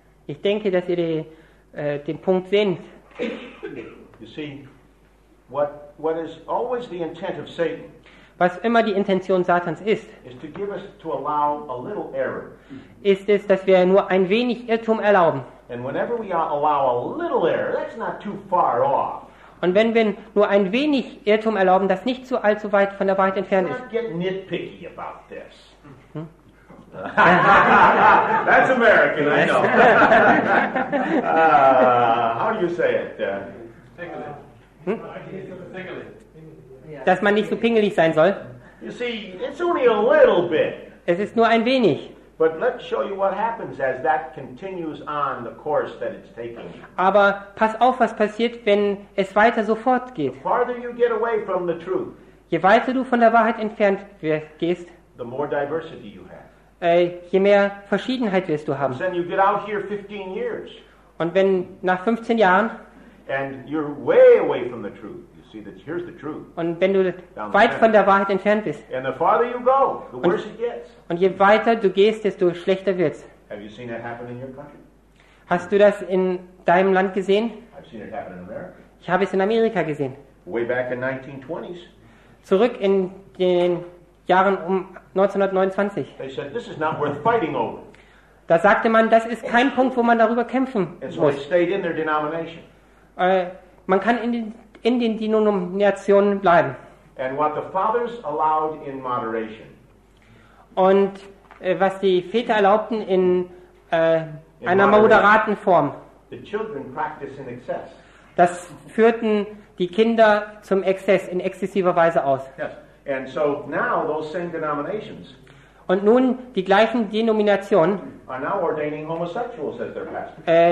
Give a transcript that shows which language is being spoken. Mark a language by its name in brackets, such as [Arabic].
[German] Ich denke, dass ihr den Punkt seht. [English] You see, what is always the intent of Satan? [German] Was immer die Intention Satans ist. [English] Is to give us to allow a little error. [German] Ist es, dass wir nur ein wenig Irrtum erlauben. [English] And whenever we allow a little error, that's not too far off. [German] Und wenn wir nur ein wenig Irrtum erlauben, das nicht zu allzu weit von der Wahrheit entfernt ist. [English] Get nitpicky about this. That's American, I know. How do you say it? [German] Dass man nicht so pingelig sein soll. [English] You see, it's only a little bit. [German] Es ist nur ein wenig. [English] But let's show you what happens as that continues on the course that it's taking. [German] Aber pass auf, was passiert, wenn es weiter so fortgeht. [English] The farther you get away from the truth, [German] je weiter du von der Wahrheit entfernt gehst, [English] the more diversity you have. [German] Je mehr Verschiedenheit wirst du haben. [English] Then you get out here 15 years. [German] Und wenn nach 15 Jahren [English] and you're way away from the truth. You see that here's the truth. [German] Und wenn du weit von der Wahrheit entfernt bist. [English] And the farther you go, the worse it gets. [German] Und je weiter du gehst, desto schlechter wird's. [English] Have you seen that happen in your country? [German] Hast du das in deinem Land gesehen? [English] I've seen it happen in America. [German] Ich habe es in Amerika gesehen. [English] Way back in 1920s. [German] Zurück in den Jahren um 1929. [English] They said, this is not worth fighting over. [German] Da sagte man, das ist kein Punkt, wo man darüber kämpfen muss. [English] So they stayed in their denomination. [German] Man kann in den Denominationen bleiben. [English] And what the fathers allowed in moderation. [German] Und was die Väter erlaubten in einer moderaten Form. [English] The children practice in excess. [German] Das führten die Kinder zum Exzess in exzessiver Weise aus. [English] Yes. And so now those same denominations. [German] Und nun die gleichen Denominationen. [English] Are now ordaining homosexuals as their pastors.